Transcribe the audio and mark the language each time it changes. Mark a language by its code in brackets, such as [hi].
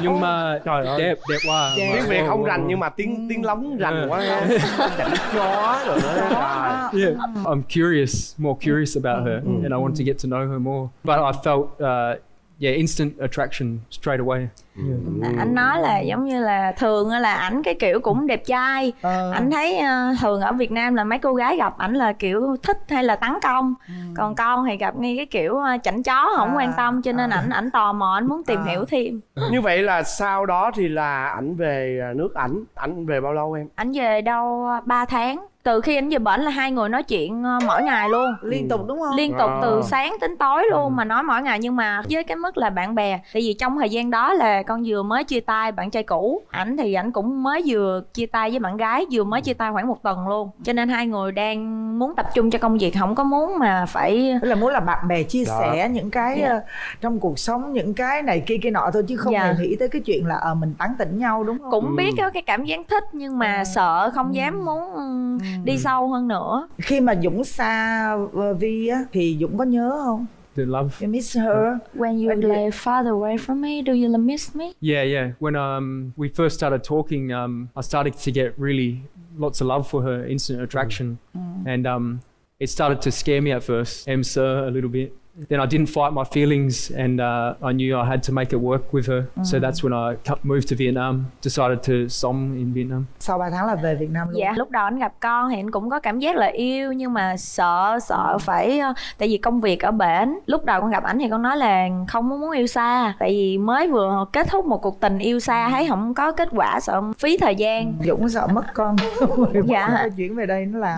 [vi] Nhưng mà trời ơi đẹp quá đẹp. Tiếng Việt không rành nhưng mà tiếng lóng rành quá chân chó rồi đó. Yeah. [en] I'm curious, more curious about her and I want to get to know her more, but I felt yeah, instant attraction straight away. Yeah. [vi] Anh nói là giống như là thường là ảnh cái kiểu cũng đẹp trai. Anh thấy thường ở Việt Nam là mấy cô gái gặp ảnh là kiểu thích hay là tấn công. Còn con thì gặp ngay cái kiểu chảnh chó không quan tâm, cho nên ảnh tò mò, ảnh muốn tìm hiểu thêm. Như vậy là sau đó thì là ảnh về nước ảnh. Ảnh về bao lâu em? Ảnh về đâu 3 tháng. Từ khi ảnh về bển là hai người nói chuyện mỗi ngày luôn. Liên tục đúng không? Liên tục từ sáng tới tối luôn mà nói mỗi ngày. Nhưng mà với cái mức là bạn bè, tại vì trong thời gian đó là con vừa mới chia tay bạn trai cũ. Ảnh thì ảnh cũng mới vừa chia tay với bạn gái, vừa mới chia tay khoảng một tuần luôn. Cho nên hai người đang muốn tập trung cho công việc, không có muốn mà phải... là muốn là bạn bè chia sẻ những cái trong cuộc sống, những cái này kia kia nọ thôi, chứ không hề nghĩ tới cái chuyện là mình tán tỉnh nhau đúng không? Cũng biết có cái cảm giác thích nhưng mà sợ không dám muốn đi sâu hơn nữa. Khi mà Dũng xa Vi á thì Dũng có nhớ không? [en] The love. You miss her. When you lay farther away from me, do you miss me? Yeah, yeah. When we first started talking, I started to get really lots of love for her, instant attraction. And it started to scare me at first, [vi] em sợ [en] a little bit. Then I didn't fight my feelings and I knew I had to make it work with her. So that's when I moved to Vietnam, decided to [vi] sống [en] in Vietnam. [vi] Sau 3 tháng là về Việt Nam luôn. Dạ, lúc đó anh gặp con thì anh cũng có cảm giác là yêu nhưng mà sợ phải tại vì công việc ở bển. Lúc đầu con gặp anh thì con nói là không muốn yêu xa, tại vì mới vừa kết thúc một cuộc tình yêu xa thấy không có kết quả, sợ phí thời gian. Dũng sợ mất con. Dạ. Chuyển về đây nó làm.